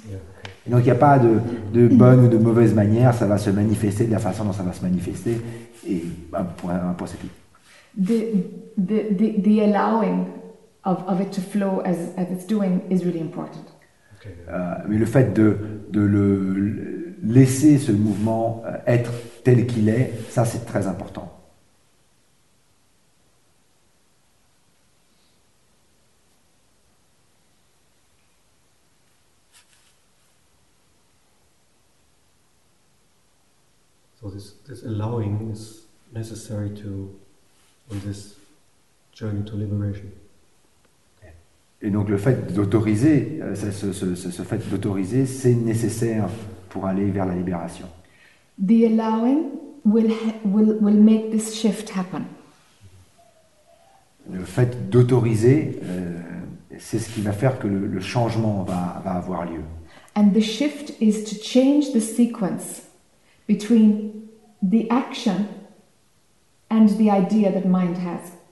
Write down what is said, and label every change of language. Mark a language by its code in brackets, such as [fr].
[en] Yeah. [fr] Et donc il n'y a pas de bonne ou de mauvaise manière, ça va se manifester de la façon dont ça va se manifester, et point c'est tout. [en] The allowing of it to flow as it's doing is really important. Okay. [fr] Mais le fait de le laisser ce mouvement être tel qu'il est, ça c'est très important. [en] This allowing is necessary to on this journey to liberation. [fr] Et donc le fait d'autoriser, ce fait d'autoriser, c'est nécessaire pour aller vers la libération. [en] The allowing will make this shift happen. [fr] Le fait d'autoriser, c'est ce qui va faire que le changement va avoir lieu. [en] And the shift is to change the sequence between the action and the idea that mind has.